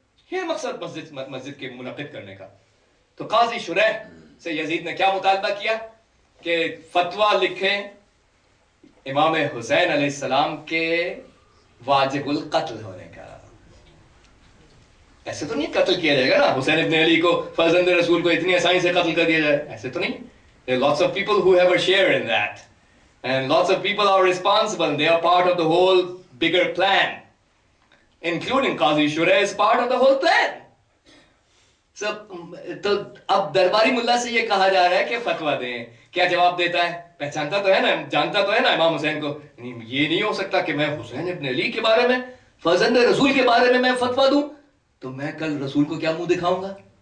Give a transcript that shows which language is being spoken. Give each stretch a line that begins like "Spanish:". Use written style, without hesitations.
Hindi: ये मकसद मस्जिद के मुनक्किद करने का। तो काजी शुरैह से यजीद ने क्या मुतालबा किया कि फतवा लिखें इमाम हुसैन अलैहिस्सलाम के वाजिबुल कत्ल होने का। ऐसे तो नहीं कत्ल किया जाएगा ना हुसैन इब्ने अली को, फर्जंद रसूल को इतनी आसानी से कत्ल कर दिया जाए, ऐसे तो नहीं।
English: There are lots of people who have a share in that and lots of people are responsible, they are part of the whole bigger plan, including Qazi Shurayh is part of the whole plan.
Hindi: तो अब दरबारी मुल्ला से ये कहा जा रहा है कि फतवा दें, क्या जवाब देता है? पहचानता तो है ना, जानता तो है ना इमाम हुसैन को। नहीं, ये नहीं हो सकता कि मैं हुसैन इब्ने अली के बारे में, फर्जंद रसूल के बारे में मैं फतवा दूं, तो मैं कल रसूल को क्या मुंह दिखाऊंगा।